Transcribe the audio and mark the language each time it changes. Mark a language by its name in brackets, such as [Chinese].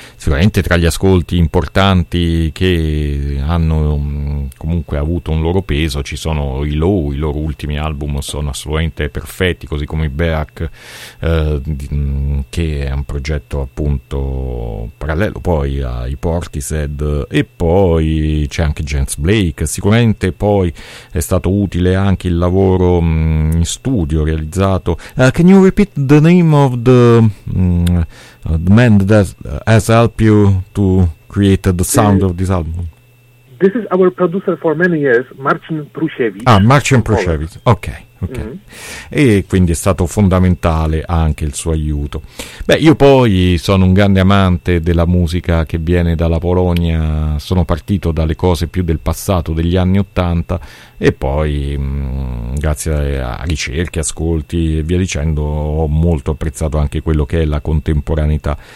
[Italian] Sicuramente tra gli ascolti importanti che hanno comunque avuto un loro peso ci sono i loro ultimi album sono assolutamente perfetti, così come i Beak, che è un progetto appunto parallelo poi ai Portishead, e poi c'è anche James Blake. Sicuramente poi è stato utile anche il lavoro in studio realizzato. [English] Can you repeat the name of the man that has helped you to create the sound of this album? This is our producer for many years, Marcin Prusiewicz. Ah, Marcin Prusiewicz, ok. [Italian] E quindi è stato fondamentale anche il suo aiuto. Beh, io poi sono un grande amante della musica che viene dalla Polonia, sono partito dalle cose più del passato, degli anni 80, e poi grazie a ricerche, ascolti e via dicendo ho molto apprezzato anche quello che è la contemporaneità.